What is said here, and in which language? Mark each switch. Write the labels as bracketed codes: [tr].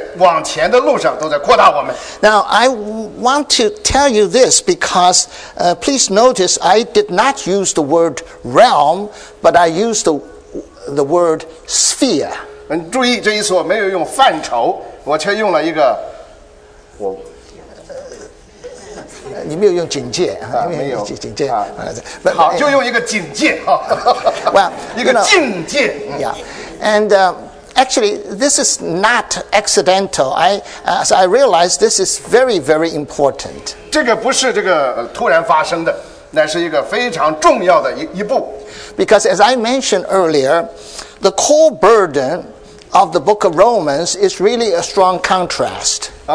[zh] 这一次主不仅在范围上扩大我们，也在所有的氛围上、空间上，在往前的路上都在扩大我们。 [en] Now, I want to tell you this because, please notice, I did not use the word realm, but I used the word sphere. [zh] 注意，这一次我没有用范畴，我却用了一个。你没有用警戒，没有警戒，好，就用一个警戒啊，一个境界。 [en] Yeah, and actually, this is not accidental. I realize this is very, very important. [zh] 这个不是这个突然发生的。乃是一个非常重要的一步。 [en] Because as I mentioned earlier, the core burden of the book of Romans is really a strong contrast.